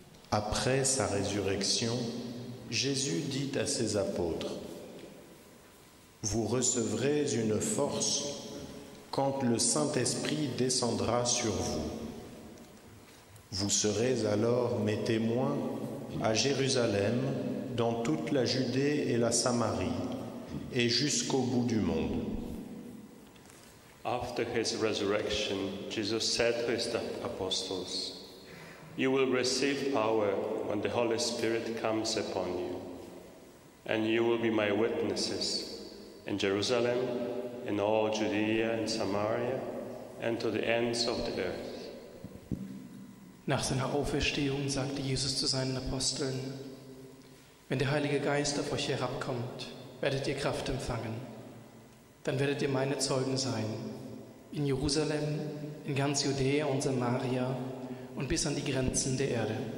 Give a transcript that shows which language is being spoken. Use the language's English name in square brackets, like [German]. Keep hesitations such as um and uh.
[French] Après sa résurrection, Jésus dit à ses apôtres, Vous recevrez une force quand le Saint-Esprit descendra sur vous. Vous serez alors mes témoins à Jérusalem, dans toute la Judée et la Samarie, et jusqu'au bout du monde. [English] After his resurrection, Jesus said to his apostles, You will receive power when the Holy Spirit comes upon you, and you will be my witnesses in Jerusalem, in all Judea and Samaria, and to the ends of the earth. [German] Nach seiner Auferstehung sagte Jesus zu seinen Aposteln, Wenn der Heilige Geist auf euch herabkommt, werdet ihr Kraft empfangen. Dann werdet ihr meine Zeugen sein, in Jerusalem, in ganz Judäa und Samaria und bis an die Grenzen der Erde.